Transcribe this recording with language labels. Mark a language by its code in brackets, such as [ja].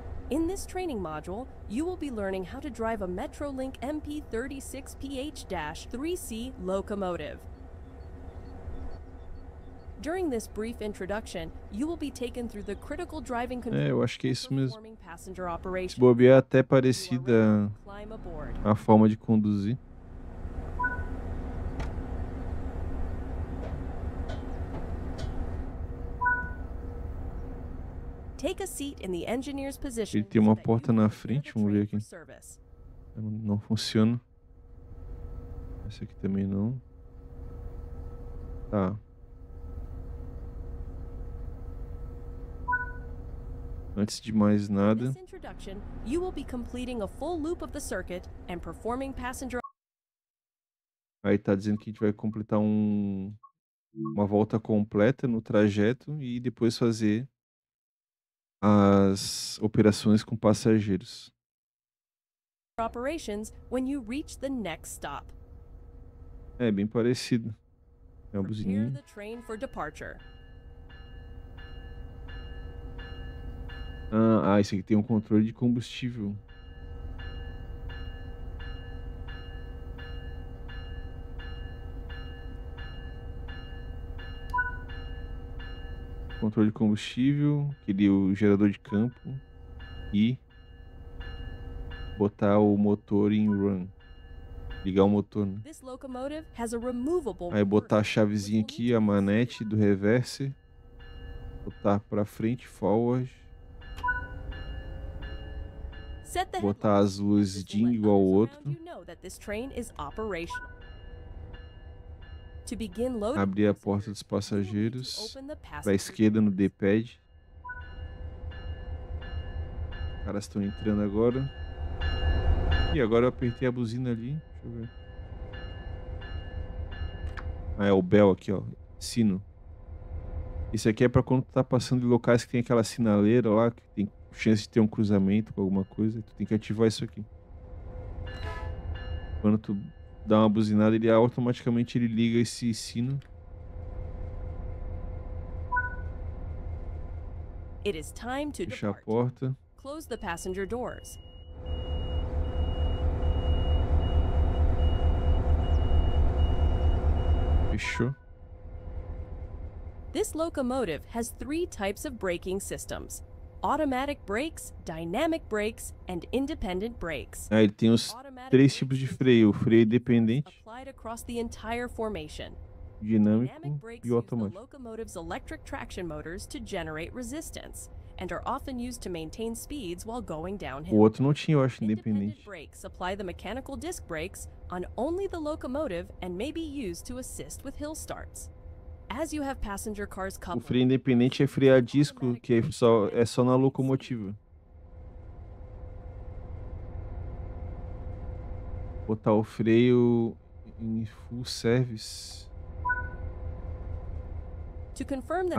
[en] In this training module, you will be learning how to drive a Metrolink MP36PH-3C locomotive. During this brief introduction, you will be taken through the critical driving controls. [pt] Eu acho que é isso mesmo. Se bobear, até parecida a forma de conduzir. [en] Take a seat in the engineer's position. [pt] Ele tem uma porta na frente, vamos ver aqui. Não funciona. Essa aqui também não. Tá. Antes de mais nada. [en] In this introduction, you will be completing a full loop of the circuit and performing passenger. [pt] Aí tá dizendo que a gente vai completar uma volta completa no trajeto e depois fazer as operações com passageiros. [en] Operations when you reach the next stop. [pt] É bem parecido. É um buzininho. [en] Prepare the train for departure. [pt] Ah, esse aqui tem um controle de combustível. Controle de combustível, aquele o gerador de campo e botar o motor em run. Ligar o motor, né? [en] This locomotive has a removable. [pt] Aí botar a chavezinha aqui, a manete do reverse. Botar para frente, forward. [en] Set the [pt] botar as luzes de igual ao outro. [en] You know that this train is operational. To begin loading, [pt] abrir a porta dos passageiros para a esquerda no D-pad. Os caras estão entrando agora. E agora eu apertei a buzina ali. Deixa eu ver. Ah, é o bell aqui, ó. Sino. Isso aqui é para quando tu tá passando em locais que tem aquela sinaleira lá, que tem chance de ter um cruzamento com alguma coisa. Tu tem que ativar isso aqui. Quando tu dá uma buzinada, ele automaticamente ele liga esse sino. [en] It is time to [pt] fechar a porta. [en] Close the passenger doors. [pt] Fechou. [en] This locomotive has three types of braking systems: automatic brakes, dynamic brakes, and independent brakes. [pt] Aí tem os três tipos de freio: o freio independente, [en] across the entire formation, [pt] dinâmico e automático. [en] Locomotive's electric traction motors to generate resistance and are often used to maintain speeds while going downhill. [pt] O outro não tinha, eu acho, independente. [en] Independent brakes apply the mechanical disc brakes on only the locomotive and may be used to assist with hill starts. As you have passenger cars coupling, [pt] o freio independente é frear disco, que é só na locomotiva. Botar o freio em full service. [en] To confirm that,